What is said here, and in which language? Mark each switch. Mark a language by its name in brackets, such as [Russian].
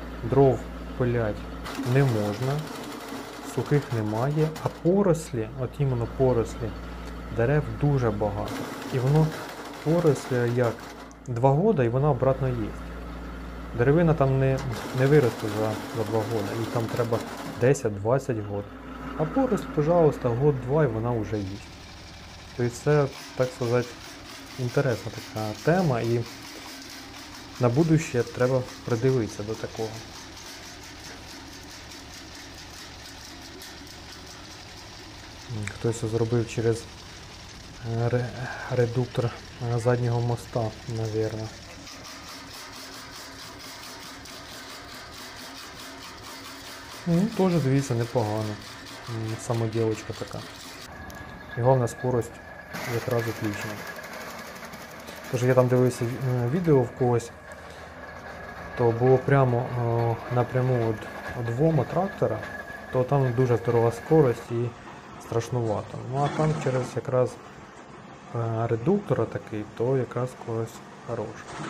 [Ukrainian] дров пилять не можна, сухих немає, а порослі, от іменно порослі, дерев дуже багато. І воно порослі як 2 роки, і вона обратно є. Деревина там не виросте за 2 роки, і там треба 10-20 років. А порость, пожалуйста, 1-2 і вона вже є. [Russian] То есть это, так сказать, интересная такая тема, и на будущее [Ukrainian] треба придивиться до такого. Хтось це зробив через редуктор [Russian] заднего моста, наверное. [Ukrainian] Ну, тоже, звісно, непогано. [Russian] Самоделочка такая. И главное, скорость якраз отлично. [Ukrainian] Тож я там дивився відео в когось, то було прямо напряму от двома трактора, то там дуже здорова скорость і страшнувато. Ну а там через якраз редуктора такий, то якраз скорость хороша.